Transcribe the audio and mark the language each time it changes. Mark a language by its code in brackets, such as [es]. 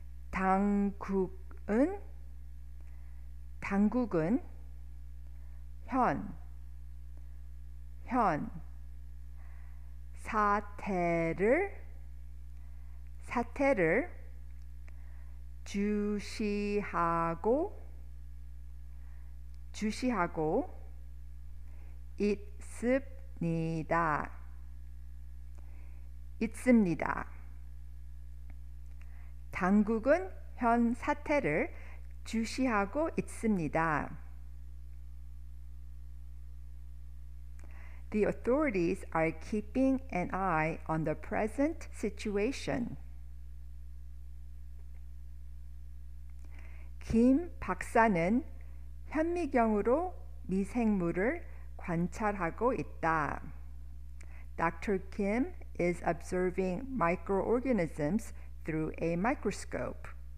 [ko] 당국은 당국은 현 현 사태를 사태를 주시하고 주시하고 있습니다. 있습니다. 당국은 현 사태를 주시하고 있습니다. [en] The authorities are keeping an eye on the present situation. [ko] 김 박사는 현미경으로 미생물을 관찰하고 있다. [en] Dr. Kim is observing microorganisms through a microscope.